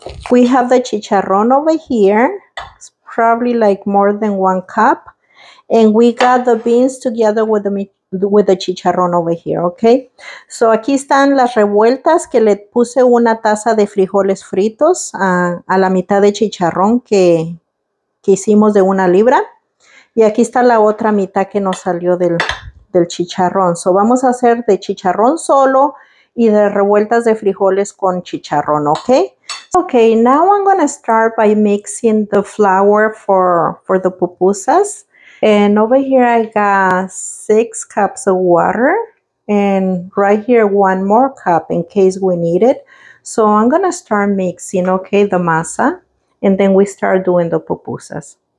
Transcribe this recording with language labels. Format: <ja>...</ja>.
<en>We have the chicharron over here. It's probably like more than 1 cup. And we got the beans together with the chicharrón over here, okay?</en> <es>So aquí están las revueltas que le puse una taza de frijoles fritos a la mitad de chicharrón que hicimos de 1 libra. Y aquí está la otra mitad que nos salió del chicharrón. So vamos a hacer de chicharrón solo y de revueltas de frijoles con chicharrón, okay?</es> <en>Okay, now I'm gonna start by mixing the flour for the pupusas. And over here I got 6 cups of water, and right here 1 more cup in case we need it. So I'm gonna start mixing, okay, the masa, and then we start doing the pupusas.</en>